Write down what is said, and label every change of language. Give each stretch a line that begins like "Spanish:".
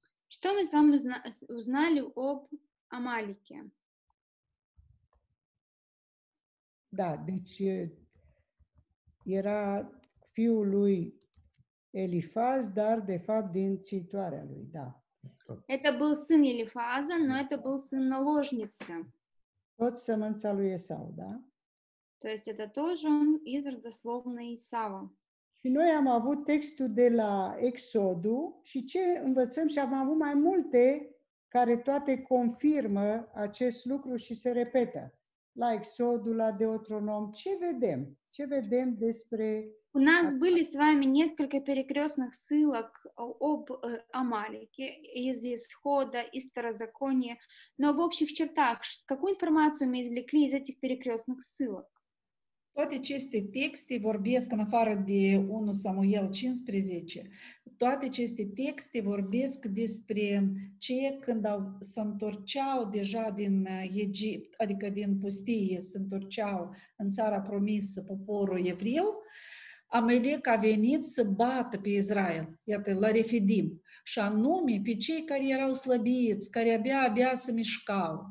Russian: Что мы с вами узнали об Амалеке?
Romanian: Da, deci era fiul lui Elifaz, dar de fapt din țintoarea lui, da.
Russian: Это был сын Елифаза, но это был сын наложницы. Тот сыновца лу Исау, да? То есть это тоже он из родословной Исава.
Romanian: Și noi am avut textul de la Exodul și ce învățăm și am avut mai multe care toate confirmă acest lucru și se repetă. La Exodul, la Deuteronom, ce vedem? Ce vedem despre...
Russian: У нас были с вами несколько перекрестных ссылок об Амалеке из Исхода, из Старозакония. Но в общих чертах, какую информацию мы извлекли из этих перекрестных ссылок?
Romanian: Toate aceste texte vorbesc, în afară de 1 Samuel 15, toate aceste texte vorbesc despre ce când se întorceau deja din Egipt, adică din pustie, se întorceau în țara promisă poporul evreu, Amalek a venit să bată pe Israel, iată, la Refidim, și anume pe cei care erau slăbiți, care abia se mișcau.